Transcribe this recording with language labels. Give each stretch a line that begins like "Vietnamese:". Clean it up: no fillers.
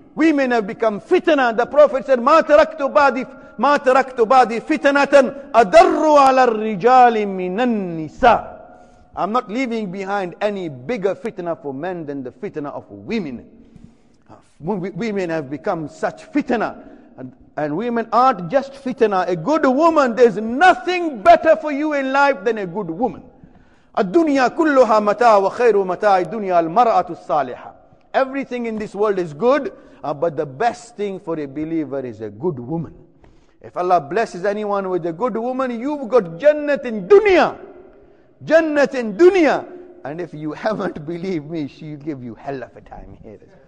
English: Women have become fitna. The Prophet said,
Arabic: ma taraktu badi fitnatan adarru ala rijali minan nisa.
English: I'm not leaving behind any bigger fitna for men than the fitna of women. Women have become such fitna. And women aren't just fitna. A good woman, there's nothing better for you in life than a good woman.
Arabic: الدنيا كلها متاع وخير متاع الدنيا المرأة الصالحة.
English: Everything in this world is good, but the best thing for a believer is a good woman. If Allah blesses anyone with a good woman, you've got Jannat in dunya. Jannat in dunya. And if you haven't, believe me, she'll give you hell of a time here.